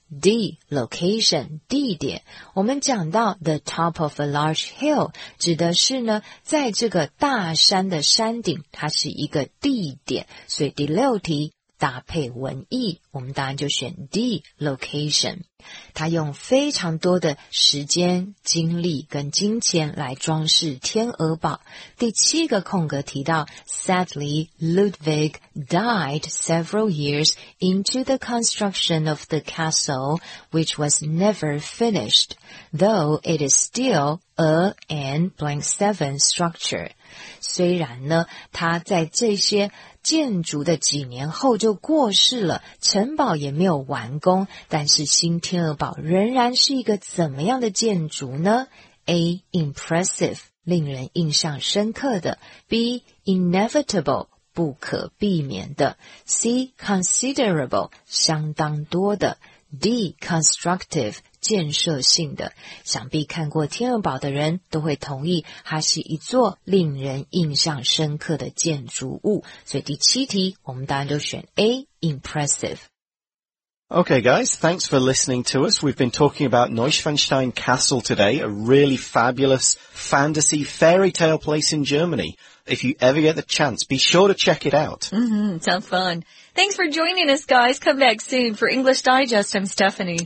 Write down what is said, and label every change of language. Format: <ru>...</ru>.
<zh>D, location, 地点。我们讲到</zh> <en>the top of a large hill,</en> <zh>指的是呢在这个大山的山顶它是一个地点。所以第六题搭配文意我们当然就选 D, location。它用非常多的时间、精力跟金钱来装饰天鹅堡。第七个空格提到</zh> <en>Sadly, Ludwig died several years into the construction of the castle, which was never finished, though it is still a an blank seven structure.</en> <zh>虽然呢，他在这些建筑的几年后就过世了，城堡也没有完工，但是新天鹅堡仍然是一个怎么样的建筑呢 ？A. impressive， 令人印象深刻的。B. inevitable， 不可避免的。C. considerable， 相当多的。D. constructive， 建设性的。想必看过天鹅堡的人都会同意，它是一座令人印象深刻的建筑物。所以第七题，我们当然就选 A.</zh> <en>impressive。 Okay guys, thanks for listening to us. We've been talking about Neuschwanstein Castle today, a really fabulous fantasy fairy tale place in Germany. If you ever get the chance, be sure to check it out. Sounds fun. Thanks for joining us guys. Come back soon for English Digest. I'm Stephanie.</en>